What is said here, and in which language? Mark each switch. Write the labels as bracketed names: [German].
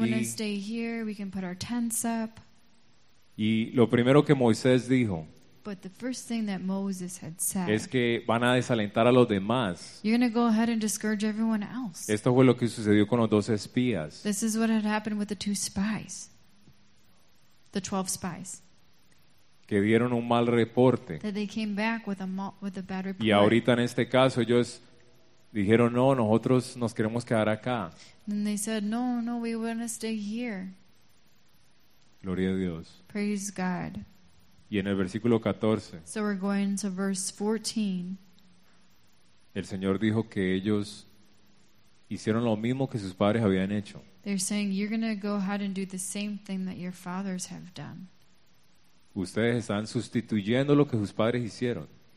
[English] We want to stay here, we can put our tents up. [Spanish] Y lo primero que Moisés dijo, [English] but the first thing that Moses had said, [Spanish] es que van a desalentar a los demás. [English] You're going to go ahead and discourage everyone else. [Spanish] Esto fue lo que sucedió con los dos espías. [English] This is what had happened with the two spies. The 12 spies. [Spanish] Que dieron un mal reporte. [English] That they came back with a bad report. [Spanish] Y ahorita en este caso ellos dijeron, no, nosotros nos queremos quedar acá. [English] And they said, no, we want to stay here. [Spanish] Gloria a Dios. [English] Praise God. [Spanish] Y en el versículo 14. [English] So we're going to verse 14. [Spanish] El Señor dijo que ellos hicieron lo mismo que sus padres habían hecho. [English] They're saying, you're going to go ahead and do the same thing that your fathers have done. [Spanish] Ustedes están sustituyendo lo que sus padres hicieron.